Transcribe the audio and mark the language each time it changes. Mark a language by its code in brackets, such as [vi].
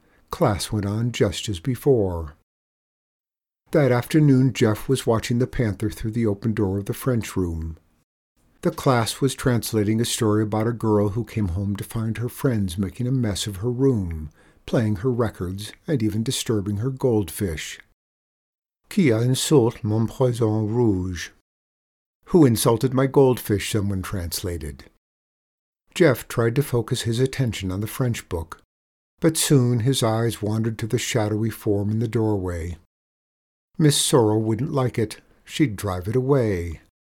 [en] Class went on just as before. That afternoon, Jeff was watching the panther through the open door of the French room. The class was translating a story about a girl who came home to find her friends making a mess of her room, playing her records, and even disturbing her goldfish. [fr] Qui a insulté mon poisson rouge? [en] Who insulted my goldfish, someone translated. Jeff tried to focus his attention on the French book, but soon his eyes wandered to the shadowy form in the doorway. Miss Sorrel wouldn't like it. She'd drive it away.